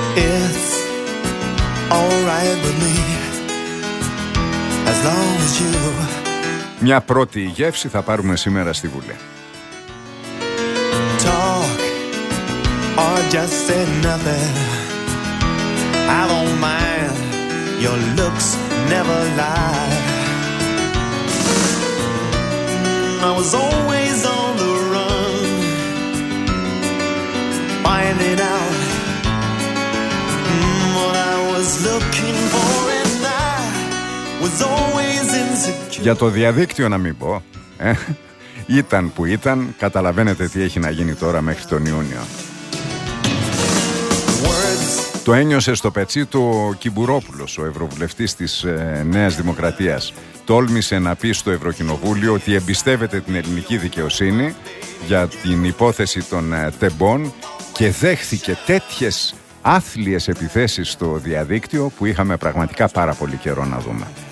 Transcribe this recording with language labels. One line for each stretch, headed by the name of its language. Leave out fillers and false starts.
English: It's all right with me, as long as you...
Greek: Μια πρώτη γεύση θα πάρουμε σήμερα στη Βουλή.
English: Or just say nothing. I don't mind. Your looks never lie. I was always on the run, finding out what I was looking for, and I was always insecure.
Greek: Για το διαδίκτυο να μην πω. Ήταν που ήταν, καταλαβαίνετε τι έχει να γίνει τώρα μέχρι τον Ιούνιο. Το ένιωσε στο πετσί του ο Κυμπουρόπουλος, ο ευρωβουλευτής της Νέας Δημοκρατίας. Τόλμησε να πει στο Ευρωκοινοβούλιο ότι εμπιστεύεται την ελληνική δικαιοσύνη για την υπόθεση των Τεμπών και δέχθηκε τέτοιες άθλιες επιθέσεις στο διαδίκτυο που είχαμε πραγματικά πάρα πολύ καιρό να δούμε.